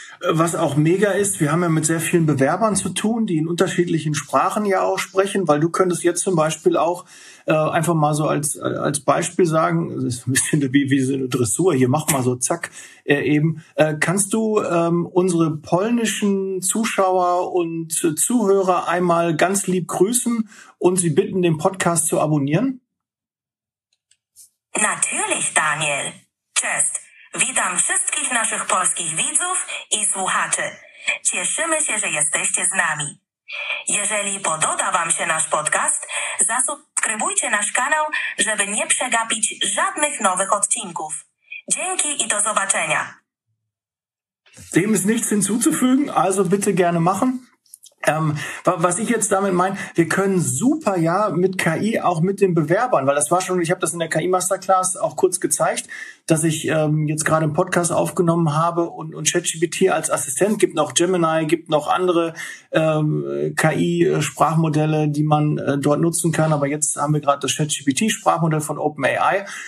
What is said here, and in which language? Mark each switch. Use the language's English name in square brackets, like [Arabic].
[German] Was auch mega ist, wir haben ja mit sehr vielen Bewerbern zu tun, die in unterschiedlichen Sprachen ja auch sprechen, weil du könntest jetzt zum Beispiel auch einfach mal so als Beispiel sagen, das ist ein bisschen wie so eine Dressur, hier mach mal so zack eben, kannst du unsere polnischen Zuschauer und Zuhörer einmal ganz lieb grüßen und sie bitten, den Podcast zu abonnieren? Natürlich, Daniel. Tschüss. [Polish] Witam wszystkich naszych polskich widzów i słuchaczy. Cieszymy się, że jesteście z nami. Jeżeli podoba Wam się nasz podcast, zasubskrybujcie nasz kanał, żeby nie przegapić żadnych nowych odcinków. Dzięki i do zobaczenia. [German] Dem ist nichts hinzuzufügen, also bitte gerne machen. Was ich jetzt damit meine, wir können super ja mit KI auch mit den Bewerbern, weil das war schon, ich habe das in der KI Masterclass auch kurz gezeigt, dass ich jetzt gerade einen Podcast aufgenommen habe und ChatGPT als Assistent, gibt noch Gemini, gibt noch andere KI-Sprachmodelle, die man dort nutzen kann, aber jetzt haben wir gerade das ChatGPT-Sprachmodell von OpenAI.